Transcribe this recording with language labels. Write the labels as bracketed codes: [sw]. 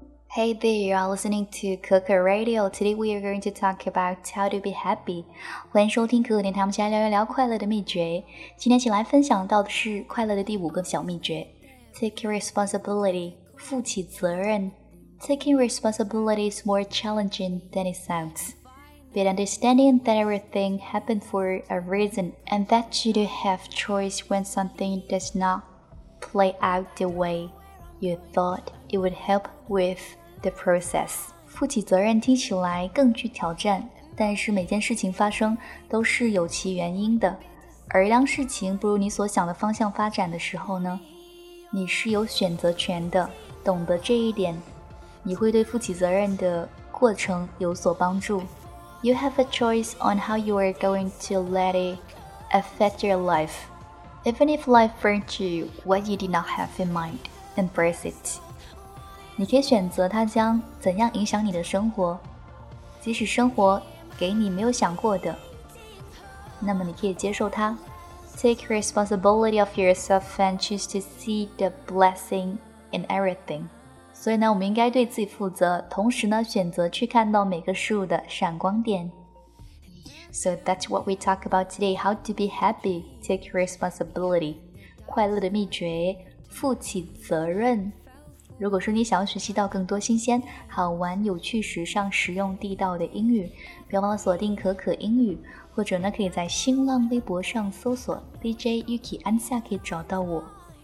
[en] Hey there, you are listening to Coco Radio. Today we are going to talk about how to be happy. [zh] 欢迎收听可可电台，我们先来聊一聊快乐的秘诀。今天请来分享到的是快乐的第五个小秘诀。 [en] Take responsibility, [zh] 负起责任。 [en] Taking responsibility is more challenging than it sounds. But understanding that everything happened for a reason and that you do have choice when something does not play out the way you thought. It would help with the process. [zh] 负起责任听起来更具挑战，但是每件事情发生都是有其原因的。而当事情不如你所想的方向发展的时候呢，你是有选择权的。懂得这一点，你会对负起责任的过程有所帮助。 [en] You have a choice on how you are going to let it affect your life. Even if life brings you what you did not have in mind, embrace it. [zh] 你可以选择它将怎样影响你的生活，即使生活给你没有想过的，那么你可以接受它。 [en] Take responsibility of yourself and choose to see the blessing in everything. [zh] 所以呢，我们应该对自己负责，同时呢，选择去看到每个事物的闪光点。 [en] So that's what we talk about today. How to be happy? Take responsibility. [zh] 快乐的秘诀，负起责任。如果说你想要学习到更多新鲜、好玩、有趣、时尚、实用、地道的英语，别忘了锁定可可英语，或者呢，可以在新浪微博上搜索 DJ Yuki 安夏，可以找到我。